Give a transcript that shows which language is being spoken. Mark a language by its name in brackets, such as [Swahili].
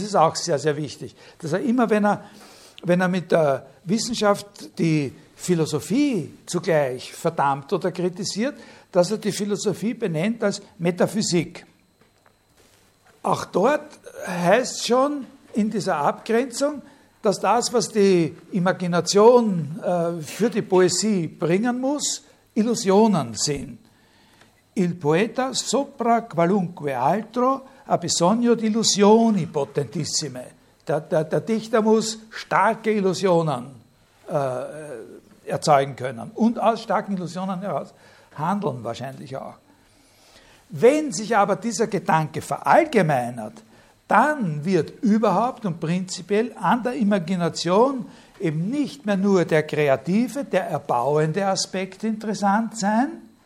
[German] Das ist auch sehr, sehr wichtig. Dass er immer, wenn er mit der Wissenschaft die Philosophie zugleich verdammt oder kritisiert, dass er die Philosophie benennt als Metaphysik. Auch dort heißt schon in dieser Abgrenzung, dass das, was die Imagination für die Poesie bringen muss, Illusionen sind. [Italian] Il poeta sopra qualunque altro ha bisogno di illusioni potentissime. [German] Der Dichter muss starke Illusionen erzeugen können und aus starken Illusionen heraus handeln wahrscheinlich auch. Wenn sich aber dieser Gedanke verallgemeinert, dann wird überhaupt und prinzipiell an der Imagination eben nicht mehr nur der kreative, der erbauende Aspekt interessant sein.